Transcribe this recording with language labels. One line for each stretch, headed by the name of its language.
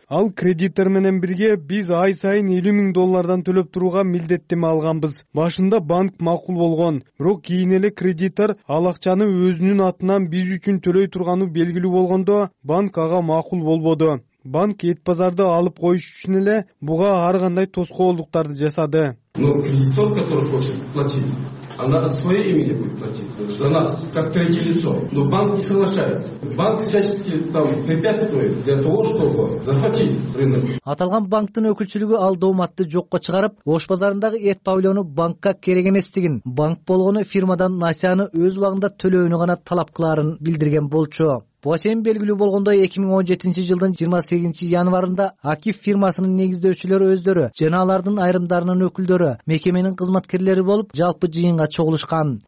Kyrgyz: Ал кредитор менен бирге биз ай сайын 50,000 доллардан төлөп турууга милдеттеме алганбыз. Башында банк макул болгон, бирок кийин эле кредитор ал акчаны өзүнүн атынан биз үчүн төлөй турганы белгилүү болгондо банк ага макул болбоду. Банк эт базарды алып коюш үчүн эле буга ар кандай тоскоолдуктарды жасады.
Russian: Но кредитор, который хочет платить, она от своей имени будет платить за нас, как третье лицо. Но банк не соглашается. Банк всячески там препятствует для того, чтобы захватить рынок.
Kyrgyz: Аталган банктын өкүлчүлүгү ал дооматты жокко чыгарып, Ош базарындагы эт павильону банкка керек эместигин, банк болгону фирмадан насыяны өз убагында төлөөнү гана талап кыларын билдирген болчу. Бошен белгилүү болгондой 2017 жылдын 28 январында Акиф фирмасынын негиздөөчүлөрү өздөрү жана алардын айрымдарынын өкүлдөрү мекеменин кызматкерлери болуп жалпы жыйынга чогулушкан.